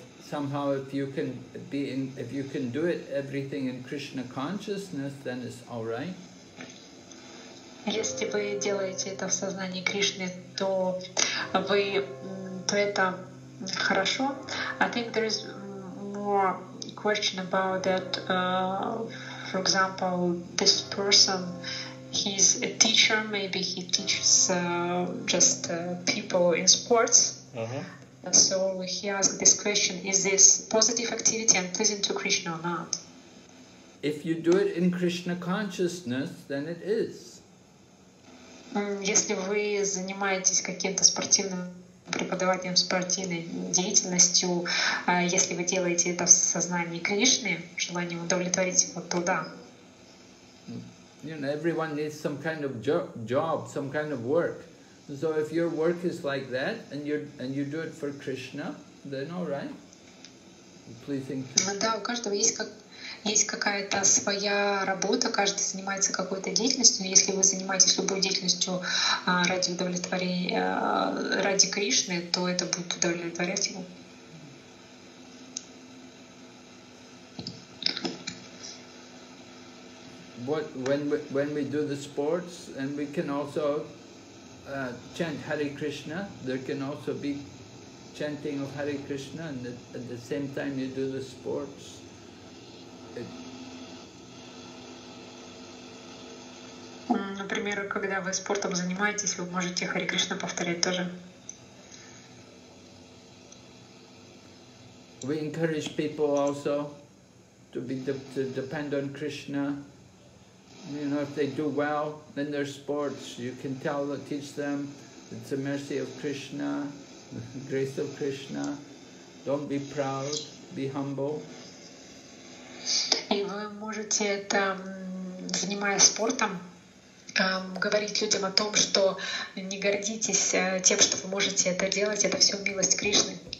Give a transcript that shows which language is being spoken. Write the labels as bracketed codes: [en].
[en] If you can do it everything in Krishna consciousness, then it's all right. [ru] Если вы делаете это в сознании Кришны, то вы, то это хорошо. [en] I think there is more question about that. For example, this person, he's a teacher. Maybe he teaches just people in sports. Uh-huh. So he asked this question: is this positive activity and pleasing to Krishna or not? If you do it in Krishna consciousness, then it is. [ru] Если вы занимаетесь каким-то спортивным преподаванием, спортивной деятельностью, если вы делаете это в сознании Кришны, желание удовлетворить его, то да. [en] You know, everyone needs some kind of job, some kind of work. So if your work is like that, and you do it for Krishna, then all right. Pleasing Krishna. [ru] Да, у каждого есть есть какая-то своя работа, каждый занимается какой-то деятельностью, но если вы занимаетесь любой деятельностью ради удовлетворения, ради Кришны, то это будет удовлетворять его. [en] What, when we do the sports and we can also chant Hare Krishna, there can also be chanting of Hare Krishna and at the same time you do the sports. [ru] Например, когда вы спортом занимаетесь, вы можете Хари Кришна повторять тоже. [en] We encourage people also to depend on Krishna. You know, if they do well in their sports, you can teach them It's the mercy of Krishna, the grace of Krishna. Don't be proud, be humble. [ru] И вы можете это, занимаясь спортом, говорить людям о том, что не гордитесь тем, что вы можете это делать, это все милость Кришны.